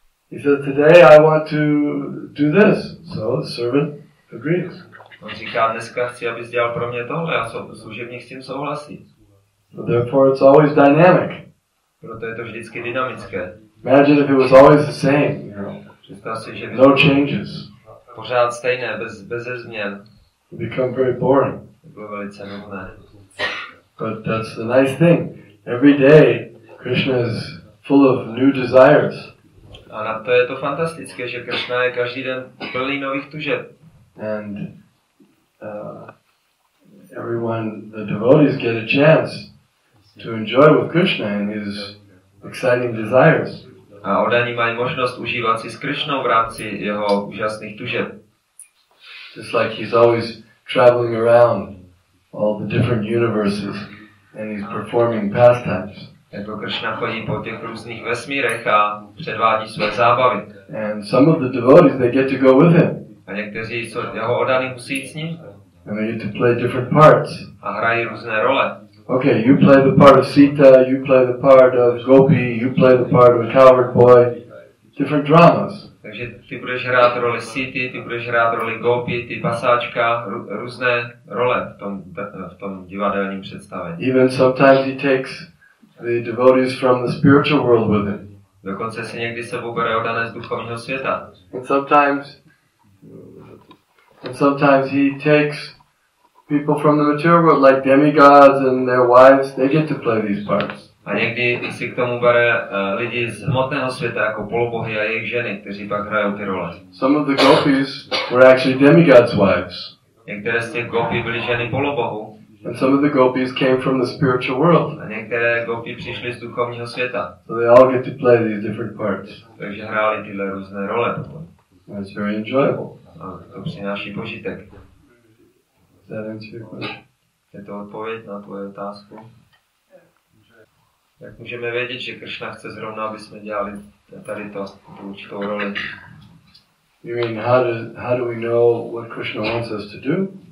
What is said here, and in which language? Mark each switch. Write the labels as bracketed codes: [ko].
[en] He says, today I want to do this. So the servant agrees. [cs] On říká, dneska chci, abys dělal pro mě tohle, a služebník s tím souhlasí. [en] So therefore it's always dynamic. [cs] Proto je to vždycky dynamické. [en] Imagine if it was always the same, you know. No changes. [cs] Pořád stejné, beze změn. [en] It become very boring. [cs] Bylo velice nudné. [en] But that's the nice thing. Every day Krishna is full of new desires. [cs] A na to je to fantastické, že Krishna je každý den plný nových tužeb. [en] And everyone, the devotees get a chance to enjoy with Krishna and his exciting desires. [cs] A oddaní mají možnost užívat si s Krishnou v rámci jeho úžasných tužeb. [en] Just like he's always traveling around all the different universes and he's performing pastimes. [cs] Jako Krishna chodí po těch různých vesmírech a předvádí své zábavy. [en] And some of the devotees, they get to go with him. [cs] A někteří jsou jeho oddaní, musí jít s ním. [en] And they get to play different parts. [cs] A hrají různé role. [en] Okay, you play the part of Sita, you play the part of Gopi, you play the part of a cowherd boy. Different dramas. [cs] Takže ty budeš hrát roli Sity, ty budeš hrát roli Gopi, ty pasáčka, různé role v tom divadelním představení. [en] Even sometimes he takes the devotees from the spiritual world with him. [cs] Dokonce si někdy sebou bere oddané z duchovního světa. [en] And sometimes he takes people from the material world, like demigods and their wives, they get to play these parts. [cs] A někdy si k tomu bere lidi z hmotného světa, jako polobohy a jejich ženy, kteří pak hrajou ty role. [en] Some of the gopis were actually demigods' wives. [cs] Některé z těch gopí byly ženy polobohu. [en] And some of the gopis came from the spiritual world. [cs] A některé gopí přišly z duchovního světa. [en] So they all get to play these different parts. [cs] Takže hráli tyhle různé role. [en] That's very enjoyable. [cs] A to přináší požitek. Je to odpověď na tvoje otázku? Jak můžeme vědět, že Krishna chce zrovna, aby jsme dělali tady to, tu určitou roli? [en] You mean how do we know what Krishna wants us to do?